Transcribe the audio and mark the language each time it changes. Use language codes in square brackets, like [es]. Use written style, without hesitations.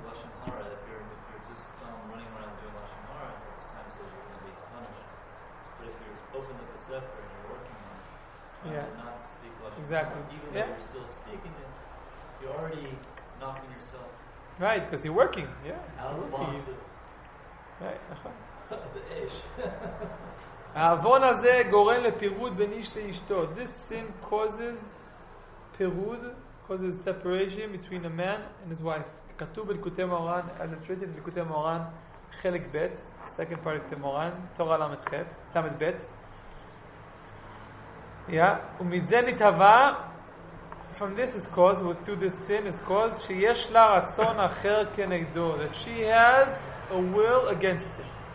[en] Lashon Hara, if you're just running around doing Lashon Hara, there's times that you're going to be punished. But if you're open up the sefer and you're working on it, trying to not speak Lashon exactly. Hara, even though you're still speaking it, you're already knocking yourself. Right, because you're working. Yeah. Out of the box. Right. The ish. [he] העוון הזה גורם לפירוד בין איש לאשתו. [en] This sin causes פירוד, causes separation between a man and his wife. [he] כתוב בליקוטי מוהר"ן, [en] as it's written [he] בליקוטי מוהר"ן, חלק ב', [en] second part of the [he] מוהר"ן, תורה למד ב'. ומזה נתהווה, [en] from this is caused, with to this sin is caused, [he] שיש לה רצון אחר כנגדו, [en] that she has a will against him.